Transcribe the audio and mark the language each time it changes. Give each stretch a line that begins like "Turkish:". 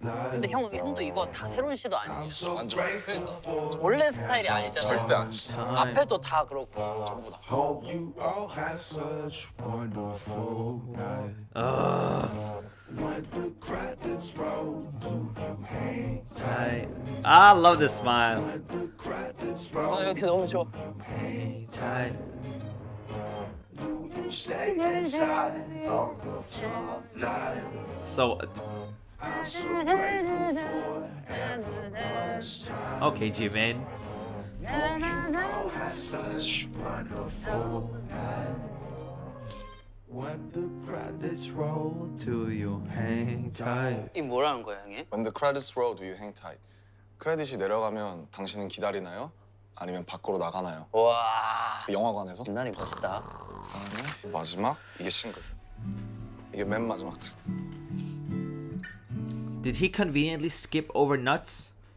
Korean: 근데 형도 이거 다 새로운 시도 아니에요. 완전 원래 스타일이 아니잖아. 절대 아니지. 앞에도 다 그렇고. 전부 다.
English: Hope you all had such wonderful night. When the credits roll, do you hang tight? I love this smile. When the credits roll, do you hang tight? Do you stay inside or go to life? So, I'm so grateful for every last time. Okay, Jimin. Hope you all had such wonderful When the credits roll, do you hang tight?
Korean: 이 뭐라는 거야, 형님?
English: When the credits roll, do you hang tight?
Korean: 크레딧이 내려가면 당신은 기다리나요? 아니면 밖으로 나가나요? 와, 그 영화관에서? 옛날이 멋있다. 그다음에 마지막 이게 싱글. 이게 맨 마지막 트랙.
English: Did he conveniently skip over nuts?